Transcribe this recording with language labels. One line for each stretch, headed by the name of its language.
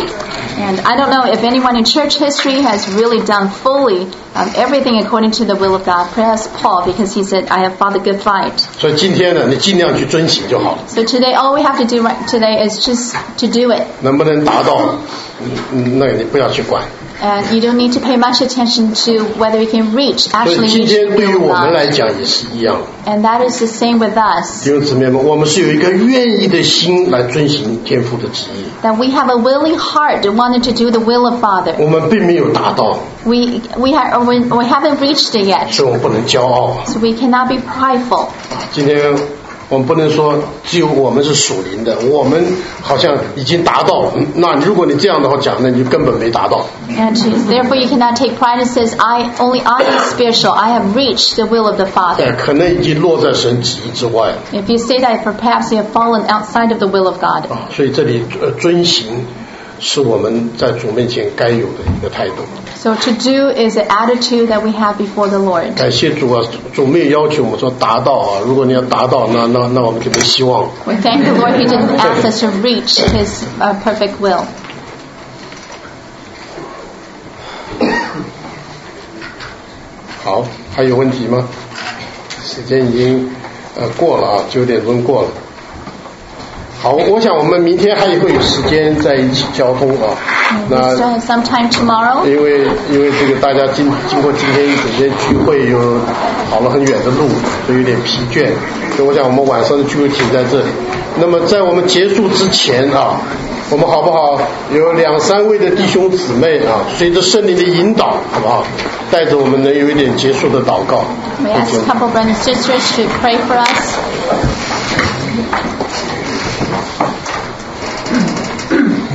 English: And I don't know if anyone in church history has really done fully everything according to the will of God. Perhaps Paul, because he said, I have fought a good fight.
Chinese: So, 今天呢，你尽量去遵行就好。
English: So today, all we have to do today is just to do it.
Chinese: 能不能达到，那你不要去管。
English: And you don't need to pay much attention to whether you can reach, actually reach the will of God.
Chinese: 今天对于我们来讲也是一样。
English: And that is the same with us.
Chinese: 弟兄姊妹们，我们是有一个愿意的心来遵行天父的旨意。
English: That we have a willing heart wanted to do the will of Father.
Chinese: 我们并没有达到。
English: We haven't reached it yet.
Chinese: 所以我们不能骄傲。
English: So we cannot be prideful.
Chinese: 今天我们不能说只有我们是属灵的，我们好像已经达到，那如果你这样的话讲，那你就根本没达到。
English: And therefore you cannot take pride and say only I am spiritual, I have reached the will of the Father.
Chinese: 可能已经落在神旨意之外。
English: If you say that, perhaps you have fallen outside of the will of God.
Chinese: 所以这里遵行是我们在主面前该有的一个态度。
English: So to do is an attitude that we have before the Lord.
Chinese: 感谢主啊，主没有要求我们说达到啊，如果你要达到，那我们就没希望。
English: We thank the Lord He didn't ask us to reach His perfect will.
Chinese: 好，还有问题吗？时间已经过了啊，九点钟过了。好，我想我们明天还会有时间在一起交通啊。那
English: sometime tomorrow。
Chinese: 因为这个大家经过今天一整天聚会，又跑了很远的路，都有点疲倦。所以我想我们晚上的聚会停在这里。那么在我们结束之前啊，我们好不好？有两三位的弟兄姊妹啊，随着圣灵的引导，好不好？带着我们能有一点结束的祷告。
English: May I ask a couple brothers and sisters to pray for us?